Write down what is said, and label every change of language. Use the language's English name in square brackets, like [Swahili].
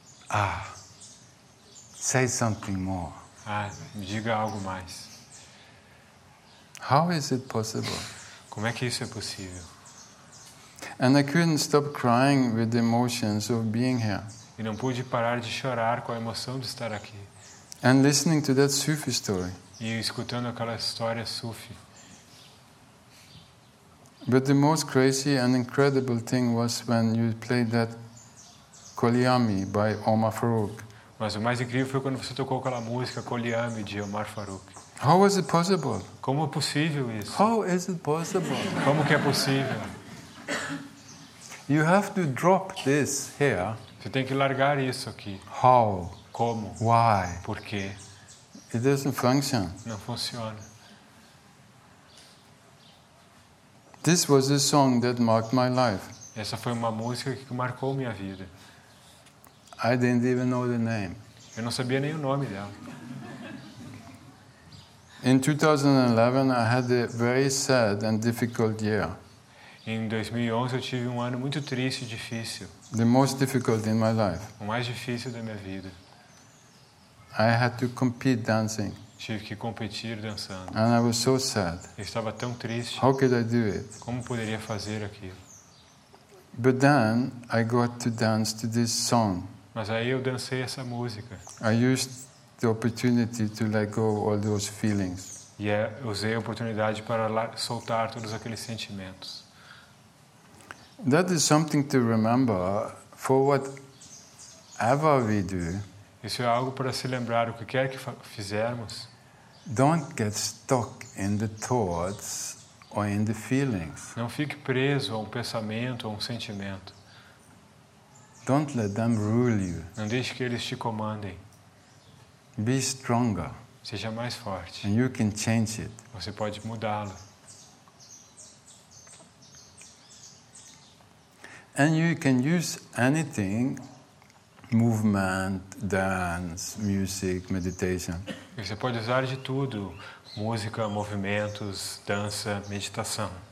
[English] Ah. Say something more. [Portuguese] Ah, me diga algo mais. [English] How is it possible? [Portuguese] Como é que isso é possível? [English] And I couldn't stop crying with the emotions of being here. [Portuguese] E não pude parar de chorar com a emoção de estar aqui. [English] And listening to that Sufi story. [Portuguese] E escutando aquela história Sufi. [English] But the most crazy and incredible thing was when you played that Kolyami by Omar Farooq. [Portuguese] Mas o mais incrível foi quando você tocou aquela música Kolyami de Omar Farooq. [English] How is it possible? [Portuguese] Como é possível isso? [English] How is it possible? [Portuguese] Como que é possível? [English] You have to drop this here. [Portuguese] Você tem que largar isso aqui. [English] How? [Portuguese] Como? [English] Why? [Portuguese] Por quê? [English] It doesn't function. [Portuguese] Não funciona. [English] This was a song that marked my life. [Portuguese] Essa foi uma música que marcou minha vida. [English] I didn't even know the name. [Portuguese] Eu não sabia nem o nome dela. [English] In 2011, I had a very sad and difficult year. [Portuguese] Em 2011, eu tive um ano muito triste e difícil. [English] The most difficult in my life. [Portuguese] O mais difícil da minha vida. [English] I had to compete dancing. [Portuguese] Tive que competir dançando. [English] And I was so sad. [Portuguese] Eu estava tão triste. [English] How could I do it? [Portuguese] Como poderia fazer aquilo? [English] But then I got to dance to this song. [Portuguese] Mas aí eu dancei essa música. [English] I used the opportunity to let go all those feelings. [Portuguese] E eu usei a oportunidade para soltar todos aqueles sentimentos. [English] That is something to remember for whatever we do. [Portuguese] Isso é algo para se lembrar, o que quer que fizermos. [English] Don't get stuck in the thoughts or in the feelings. [Portuguese] Não fique preso a um pensamento ou um sentimento. [English] Don't let them rule you. [Portuguese] Não deixe que eles te comandem. [English] Be stronger. [Portuguese] Seja mais forte. [English] And you can change it. [Portuguese] Você pode mudá-lo. [English] And you can use anything. Movement, dance, music, meditation. [Portuguese] Você pode usar de tudo: música, movimentos, dança, meditação.